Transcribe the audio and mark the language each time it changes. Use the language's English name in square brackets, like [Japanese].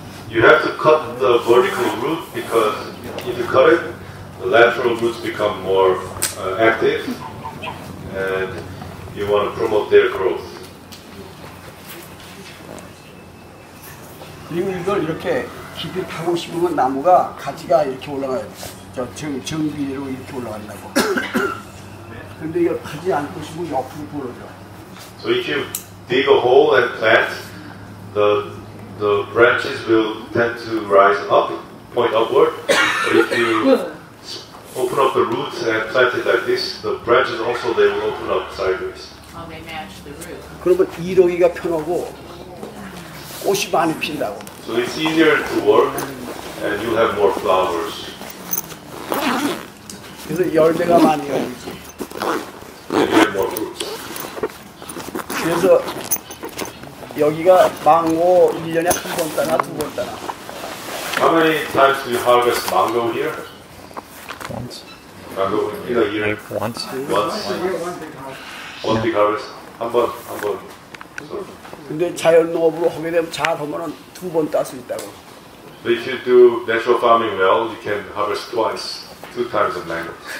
[English] You have to cut the vertical root because if you cut it, the lateral roots become more active and you want to promote their growth. [Korean] 그리고 이걸 이렇게 깊이 파고 싶으면 나무가 가지가 이렇게 올라가야 돼. 정비대로 이렇게 올라간다고. 근데 이걸 파지 않고 싶으면 옆으로 벌어져. [English] So if you dig a hole and plant, the branches will tend to rise up, point upward. But if you open up the roots and plant it like this, the branches also, they will open up sideways. Oh, they match the root. [Korean] 그러면 이러기가 편하고 꽃이 많이 핀다고. [English] So it's easier to work, and you'll have more flowers. [Korean] 그래서 열매가 많이 열리지. [English] You have more fruits. [Korean] 그래서 여기가 망고 1년에 한 번 따나 두 번 따나. [English] How many times do you harvest mango here? Once. Mango in a year? Once. One big harvest. [Korean] 한 번. [English] So. [Korean] 근데 자연농업으로 하게 되면 잘 하면 두 번 딸 수 있다고. [English] But if you do natural farming well, you can harvest twice, two times of mango.